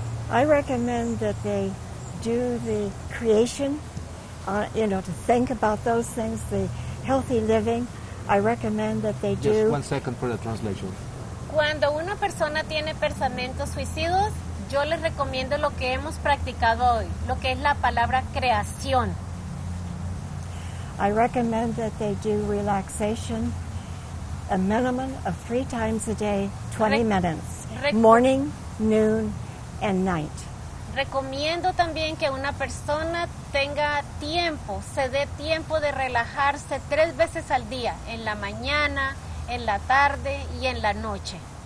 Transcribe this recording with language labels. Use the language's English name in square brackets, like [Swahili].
[English] I recommend that they do the creation, to think about those things, the healthy living. I recommend that they do. Just 1 second for the translation. [Spanish] Cuando una persona tiene pensamientos suicidas, yo les recomiendo lo que hemos practicado hoy, lo que es la palabra creación. [English] I recommend that they do relaxation, a minimum of 3 times a day, 20 minutes, morning, noon, and night. [Spanish] Recomiendo también que una persona tenga tiempo, se dé tiempo de relajarse 3 veces al día, en la mañana, en la tarde y en la noche.